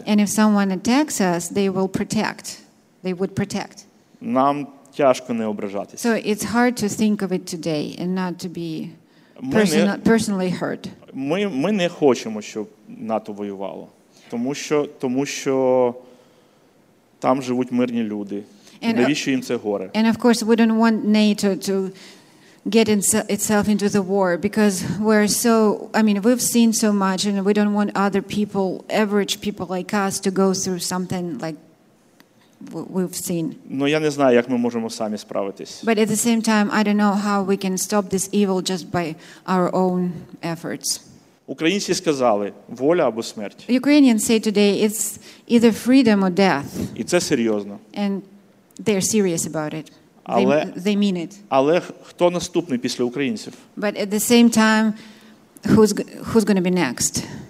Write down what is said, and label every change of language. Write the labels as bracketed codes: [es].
[en] And if someone attacks us, they will protect. They would protect. [uk] Нам тяжко не ображатись. [en] So it's hard to think of it today and not to be personally hurt. [uk] Ми не хочемо, щоб НАТО воювало, тому що там живуть мирні люди. Навіщо їм це горе? [en] And of course we don't want NATO to get itself into the war because we've seen so much and we don't want other people, average people like us to go through something like we've seen. [uk] Ну я не знаю, як ми можемо самі справитись. [en] But at the same time, I don't know how we can stop this evil just by our own efforts. [uk] Українці сказали: воля або смерть. [en] Ukrainians say today it's either freedom or death. [uk] І це серйозно. [en] And they're serious about it. They mean it. [uk] Але хто наступний після українців? [en] But at the same time, who's going to be next?